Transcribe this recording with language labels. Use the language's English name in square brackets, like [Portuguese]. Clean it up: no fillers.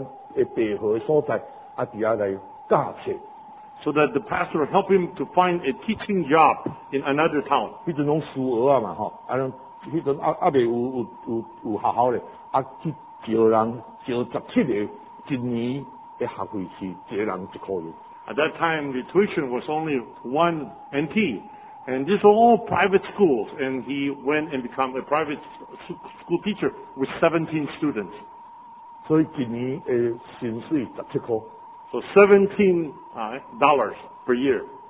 [Chinese] 等这个来到牧师的时候,牧师才帮助他说,好,带他去北河,台湾关的北河所在,在那里教书。 [English] So that the pastor would help him to find a teaching job in another town. [Chinese] 那时候还没有学校，去招人，招17个，一年的学费是一个人一块钱。 [English] At that time, the tuition was only one NT, and these were all private schools, and he went and became a private school teacher with 17 students. [Chinese] 所以一年的薪水17块。 [English] So $17 per year.